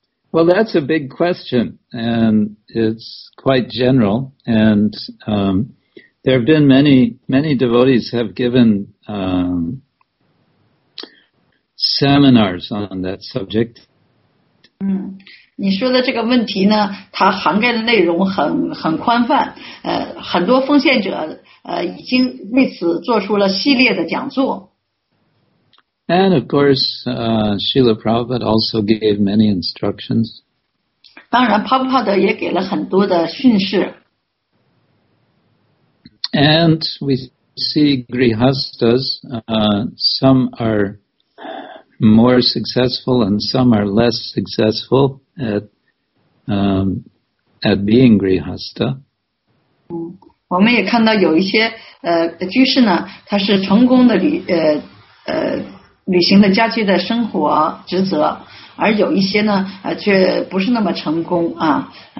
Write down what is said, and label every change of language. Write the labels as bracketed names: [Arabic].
[English] Well, that's a big question, and it's quite general, and there have been many devotees have given seminars on that subject. [Chinese] 你说的这个问题呢，它涵盖的内容很宽泛，很多奉献者已经为此做出了系列的讲座。 [English] And of course, Srila Prabhupada also gave many instructions. [Chinese] 当然，帕布帕德也给了很多的训示。 [English] And we see grihasthas, some are more successful and some are less successful at being grihastha. [Chinese] 我们也看到有一些居士呢，他是成功的履行了家居的生活职责，而有一些呢，却不是那么成功啊。